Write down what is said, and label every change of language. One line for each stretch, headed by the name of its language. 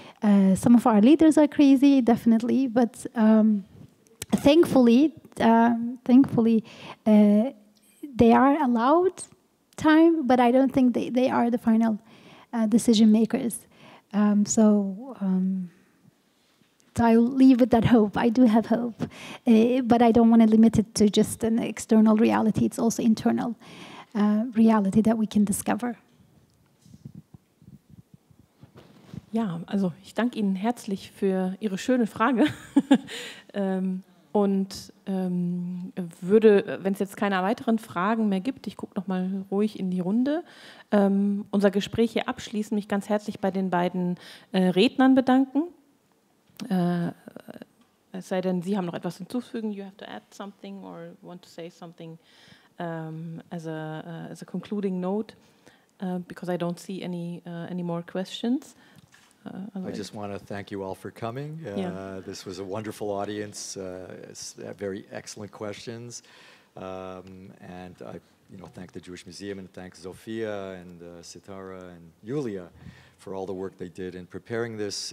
English: Some of our leaders are crazy, definitely, but thankfully, they are allowed time, but I don't think they are the final decision makers. So I'll leave with that hope. I do have hope, but I don't want to limit it to just an external reality. It's also internal reality that we can discover.
German: Ja, also ich danke Ihnen herzlich für Ihre schöne Frage. Und würde, wenn es jetzt keine weiteren Fragen mehr gibt, ich gucke noch mal ruhig in die Runde, unser Gespräch hier abschließen, mich ganz herzlich bei den beiden Rednern bedanken. Es sei denn, Sie haben noch etwas hinzuzufügen.
English: You have to add something or want to say something as a concluding note, because I don't see any more questions. I just want to thank you all for coming. Yeah. This was a wonderful audience. Very excellent questions, and I, thank the Jewish Museum and thank Sophia and Sitara and Yulia for all the work they did in preparing this.